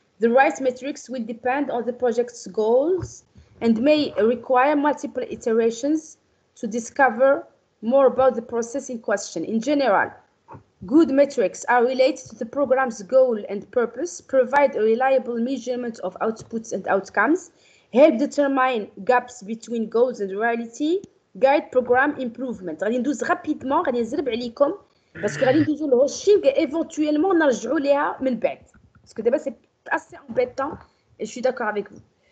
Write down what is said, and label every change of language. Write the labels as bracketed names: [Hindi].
[English] The right metrics will depend on the project's goals and may require multiple iterations to discover more about the process in question. In general, good metrics are related to the program's goal and purpose, provide a reliable measurement of outputs and outcomes, help determine gaps between goals and reality, guide program improvement. [Arabic] غادي ندوز rapidement, غادي نزرب عليكم باسكو غادي ندوزو للهوشينغ éventuellement نرجعو ليها من بعد. باسكو دابا [French] c'est assez embêtant et je suis d'accord avec vous.